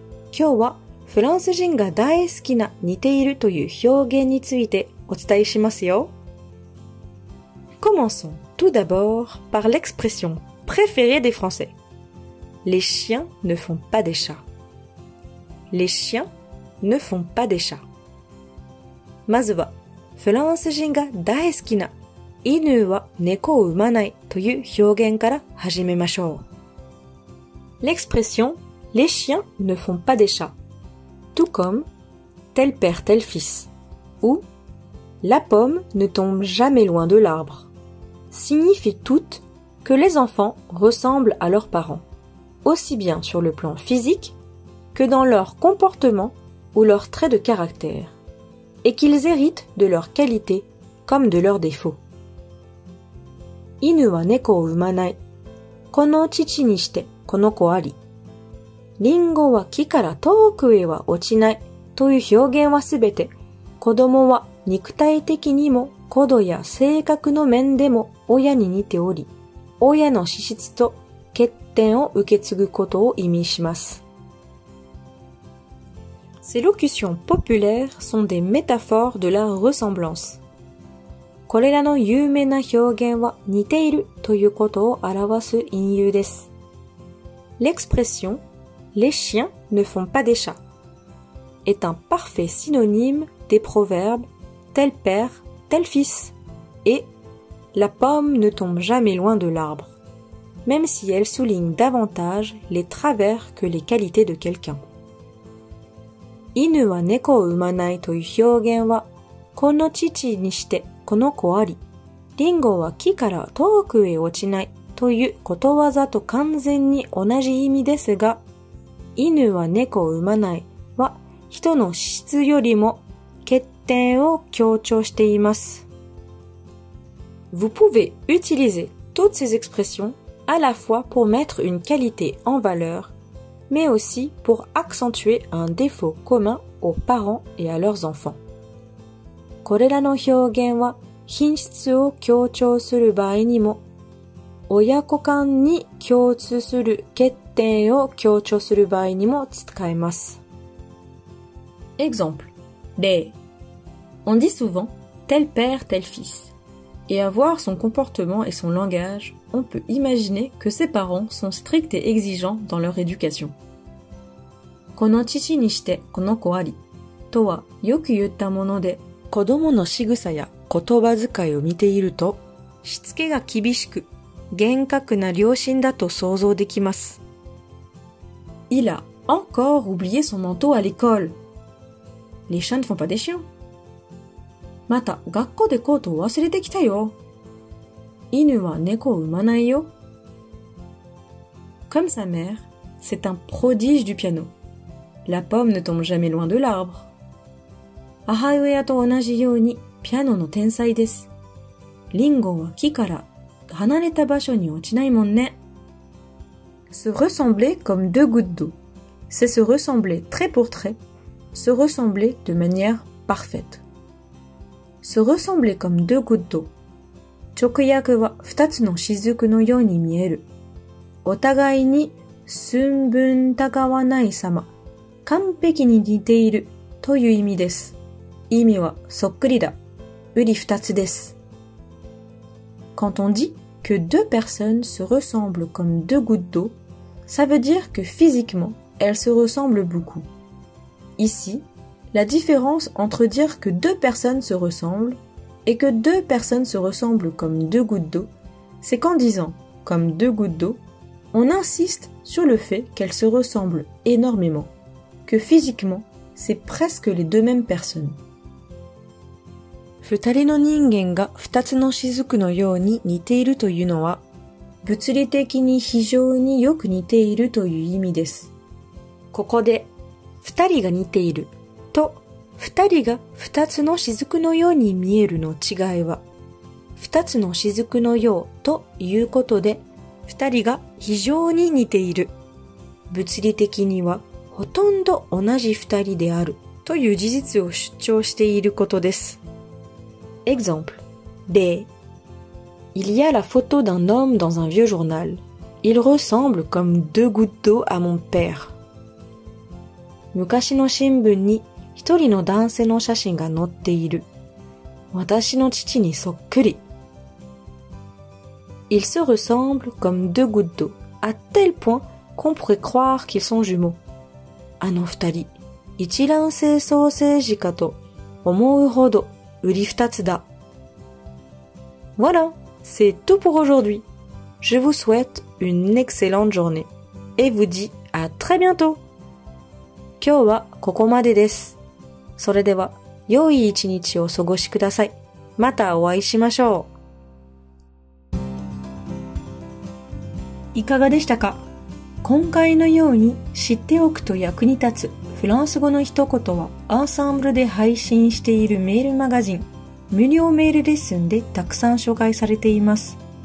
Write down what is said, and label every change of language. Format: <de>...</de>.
<ja>今日はフランス人が大好きな似ているという表現についてお伝えしますよ。</ja> <fr>Commençons tout d'abord par l'expression préférée des Français. Les chiens ne font pas des chats. Les chiens ne font pas des chats.</fr> <ja>まずはフランス人が大好きな犬は猫を産まないという表現から始めましょう。</ja> <fr>L'expression « les chiens ne font pas des chats » tout comme « tel père tel fils » ou « la pomme ne tombe jamais loin de l'arbre » signifie toutes que les enfants ressemblent à leurs parents, aussi bien sur le plan physique que dans leur comportement ou leurs traits de caractère, et qu'ils héritent de leurs qualités comme de leurs défauts.</fr> <ja>犬は猫を産まない。この乳にしてこの子あり。リンゴは木から遠くへは落ちないという表現はすべて、子供は肉体的にも高度や性格の面でも親に似ており、親の資質と欠点を受け継ぐことを意味します。</ja> <fr>Ces locutions populaires sont des métaphores de la ressemblance.</fr> <ja>これらの有名な表現は似ているということを表す隠喩です。</ja> <fr>L'expression « les chiens ne font pas des chats » est un parfait synonyme des proverbes « tel père, tel fils » et « la pomme ne tombe jamais loin de l'arbre » même si elle souligne davantage les travers que les qualités de quelqu'un.</fr> <ja>犬は猫を産まないという表現は、この父にしてこの子あり、リンゴは木から遠くへ落ちないということわざと完全に同じ意味ですが、犬は猫を産まないは人の資質よりも欠点を強調しています。</ja> <fr>Vous pouvez utiliser toutes ces expressions à la fois pour mettre une qualité en valeur, mais aussi pour accentuer un défaut commun aux parents et à leurs enfants.</fr> <ja>これらの表現は品質を強調する場合にも、親子間に共通する欠点を強調する場合にも使えます。</ja> <fr>Exemple</fr> <ja>例</ja> <fr>On dit souvent tel père tel fils. Et à voir son comportement et son langage, on peut imaginer que ses parents sont stricts et exigeants dans leur éducation.</fr> <ja>この父にしてこの子ありとはよく言ったもので、子供の仕草や言葉遣いを見ていると、しつけが厳しく、厳格な両親だと想像できます。</ja> <fr>Il a encore oublié son manteau à l'école. Les chiens ne font pas des chiens.</fr> <ja>また、学校でコートを忘れてきたよ。犬は猫を産まないよ。</ja> <fr>Comme sa mère, c'est un prodige du piano. La pomme ne tombe jamais loin de l'arbre.</fr> <ja>母親と同じようにピアノの天才です。リンゴは木から離れた場所に落ちないもんね。</ja> <fr>Se ressembler comme deux gouttes d'eau. C'est se ressembler trait pour trait. Se ressembler de manière parfaite. Se ressembler comme deux gouttes d'eau.</fr> <ja>直訳は二つの滴のように見える。お互いに寸分たがわない様。完璧に似ているという意味です。意味はそっくりだ。うり二つです。</ja> <fr>Quand on dit que deux personnes se ressemblent comme deux gouttes d'eau, ça veut dire que physiquement, elles se ressemblent beaucoup. Ici, la différence entre dire que deux personnes se ressemblent et que deux personnes se ressemblent comme deux gouttes d'eau, c'est qu'en disant comme deux gouttes d'eau, on insiste sur le fait qu'elles se ressemblent énormément, que physiquement, c'est presque les deux mêmes personnes.</fr> <ja>二人の人間が二つの雫のように似ているというのは、物理的に非常によく似ているという意味です。ここで、二人が似ていると、二人が二つの雫のように見えるの違いは、二つの雫のようということで、二人が非常に似ている。物理的にはほとんど同じ二人であるという事実を主張していることです。</ja> <fr>Exemple. Des. Il y a la photo d'un homme dans un vieux journal. Il ressemble comme deux gouttes d'eau à mon père.</fr> <ja>昔の新聞に一人の男性の写真が載っている。私の父にそっくり。</ja> <fr>Ils se ressemblent comme deux gouttes d'eau, à tel point qu'on pourrait croire qu'ils sont jumeaux.</fr> <ja>あの二人、一卵性双生児かと思うほど売り二つだ。</ja> <fr>Voilà, c'est tout pour aujourd'hui. Je vous souhaite une excellente journée et vous dis à très bientôt.</fr> <ja>今日はここまでです。それでは、良い一日をお過ごしください。またお会いしましょう。いかがでしたか？今回のように知っておくと役に立つフランス語の一言はアンサンブルで配信しているメールマガジン無料メールレッスンでたくさん紹介されています。</ja>